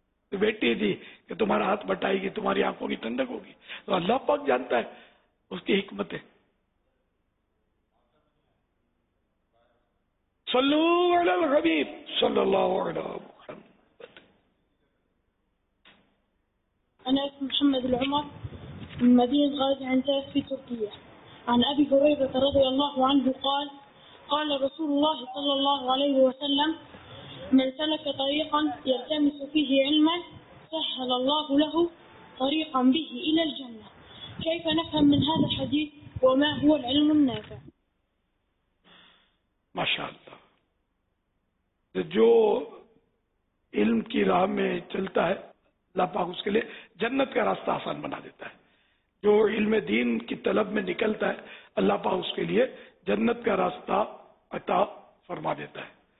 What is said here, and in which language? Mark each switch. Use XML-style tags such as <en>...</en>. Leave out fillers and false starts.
<ur>تو بیٹی تھی کہ تمہارا ہاتھ بٹائے گی، تمہاری آنکھوں کی ٹھنڈک ہوگی، تو اللہ پاک جانتا ہے اس کی حکمت ہے. صلو علی الحبیب صلی اللہ علیہ وسلم.</ur> <ar>انا اسم محمد العمر من مدينه غازي عنتاب في تركيا، عن ابي هريره رضي الله عنه قال قال رسول الله صلى الله عليه وسلم من سلك طريقا يلتمس فيه علما سهل الله له طريقا به الى الجنه. كيف نفهم من هذا الحديث وما هو العلم النافع؟ ما شاء الله.</ar> <ur>جو علم کی راہ میں چلتا ہے اللہ پاک اس کے لیے جنت کا راستہ آسان بنا دیتا ہے. جو علم دین کی طلب میں نکلتا ہے اللہ پاک اس کے لیے جنت کا راستہ عطا فرما دیتا ہے.</ur>